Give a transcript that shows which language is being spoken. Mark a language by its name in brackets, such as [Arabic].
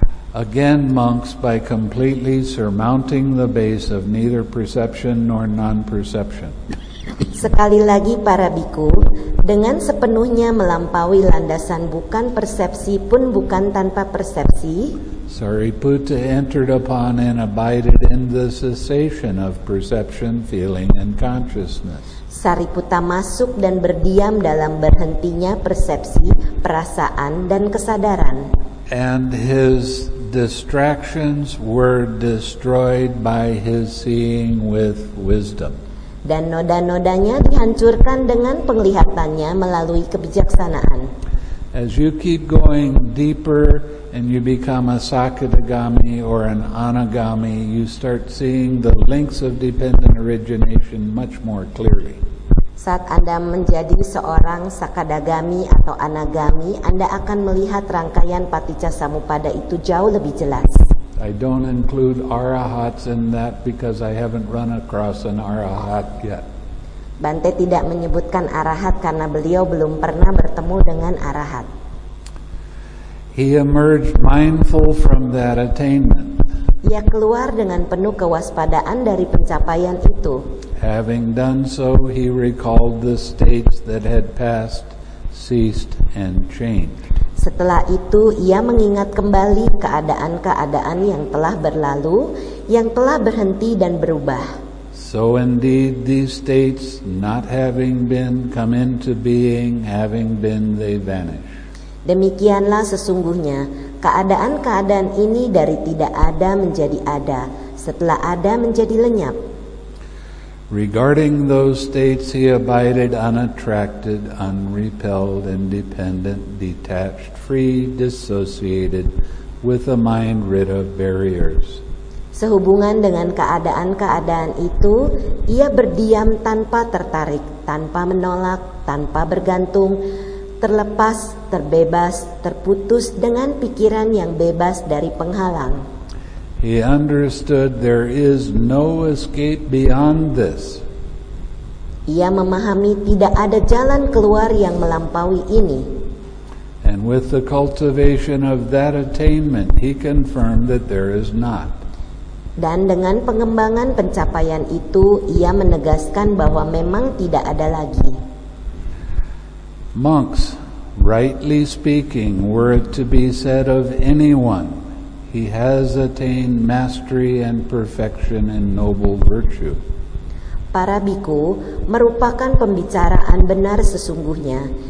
[English] Again, monks, by completely surmounting the base of neither perception nor non-perception. [Indonesian] Sekali lagi, para bhikkhu, dengan sepenuhnya melampaui landasan bukan persepsi pun bukan tanpa persepsi. [English] Sariputta entered upon and abided in the cessation of perception, feeling, and consciousness. [Indonesian] Sariputta masuk dan berdiam dalam berhentinya persepsi, perasaan, dan kesadaran. [English] And his distractions were destroyed by his seeing with wisdom. [Indonesian] Dan noda-nodanya dihancurkan dengan penglihatannya melalui kebijaksanaan. [English] As you keep going deeper and you become a Sakadagami or an Anagami, you start seeing the links of dependent origination much more clearly. [Indonesian] Saat Anda menjadi seorang Sakadagami atau Anagami, Anda akan melihat rangkaian paticcasamuppada itu jauh lebih jelas. [English] I don't include arahats in that because I haven't run across an arahat yet. [Indonesian] Bante tidak menyebutkan arahat karena beliau belum pernah bertemu dengan arahat. [English] He emerged mindful from that attainment. [Indonesian] Ia keluar dengan penuh kewaspadaan dari pencapaian itu. [English] Having done so, he recalled the states that had passed, ceased, and changed. [Indonesian] Setelah itu, ia mengingat kembali keadaan-keadaan yang telah berlalu, yang telah berhenti dan berubah. [English] So indeed, these states, not having been come into being, having been, they vanish. [Indonesian] Demikianlah sesungguhnya, keadaan-keadaan ini dari tidak ada menjadi ada, setelah ada menjadi lenyap. [English] Regarding those states, he abided unattracted, unrepelled, independent, detached, free, dissociated, with a mind rid of barriers. [Indonesian] Sehubungan dengan keadaan-keadaan itu, ia berdiam tanpa tertarik, tanpa menolak, tanpa bergantung, terlepas, terbebas, terputus dengan pikiran yang bebas dari penghalang. [English] He understood there is no escape beyond this. [Indonesian] Ia memahami tidak ada jalan keluar yang melampaui ini. [English] And with the cultivation of that attainment, he confirmed that there is not. [Indonesian] Dan dengan pengembangan pencapaian itu, ia menegaskan bahwa memang tidak ada lagi. [English] Monks, rightly speaking, were it to be said of anyone, he has attained mastery and perfection in noble virtue. [Indonesian] Para bhikkhu merupakan pembicaraan benar sesungguhnya.